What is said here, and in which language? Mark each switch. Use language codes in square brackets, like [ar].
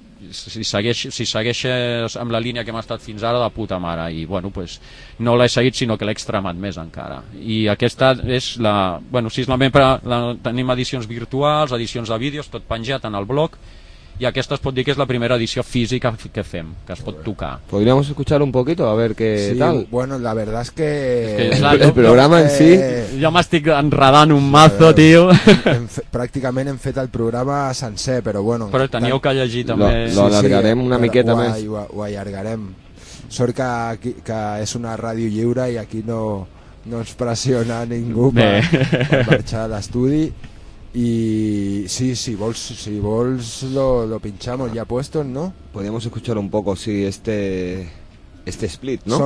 [ca] si segueixes amb la línia que hem estat fins ara, de puta mare, i bueno, pues, no l'he seguit sinó que l'he extremat més encara, i aquesta és la, bueno, si és la membre, tenim edicions virtuals, edicions de vídeos, tot penjat en el blog, i aquesta es pot dir que és la primera edició física que fem, que es pot tocar. [es] Podríamos escuchar un poquito, a ver qué sí, tal. Sí, bueno, la verdad es que... el programa en sí... [ca] Jo m'estic enredant un mazo, sí, tio. Pràcticament hem fet el programa sencer, però bueno... Però teniu que llegir també... Lo allargarem una miqueta més. Ho allargarem. Sort que és una ràdio lliure i aquí no ens pressiona ningú per marxar a l'estudi. [es] Y sí, [ca] si vols [es] lo pinchamos ya puestos, ¿no? Podríamos escuchar un poco, sí, este split, ¿no?